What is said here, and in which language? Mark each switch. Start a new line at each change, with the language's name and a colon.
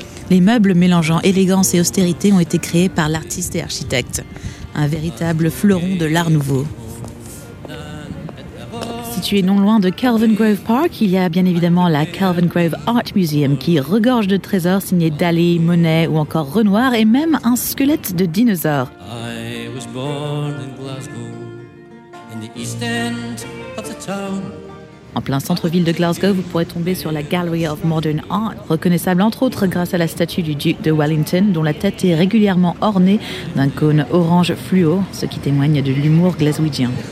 French: Les meubles mélangeant élégance et austérité ont été créés par l'artiste et architecte. Un véritable fleuron de l'art nouveau. Situé non loin de Calvin Grove Park, il y a bien évidemment la Calvin Grove Art Museum qui regorge de trésors signés Dali, Monet ou encore Renoir et même un squelette de dinosaure.
English: I was born in Glasgow, in the east end of the town.
French: En plein centre-ville de Glasgow, vous pourrez tomber sur la Gallery of Modern Art, reconnaissable entre autres grâce à la statue du duc de Wellington dont la tête est régulièrement ornée d'un cône orange fluo, ce qui témoigne de l'humour glaswegien.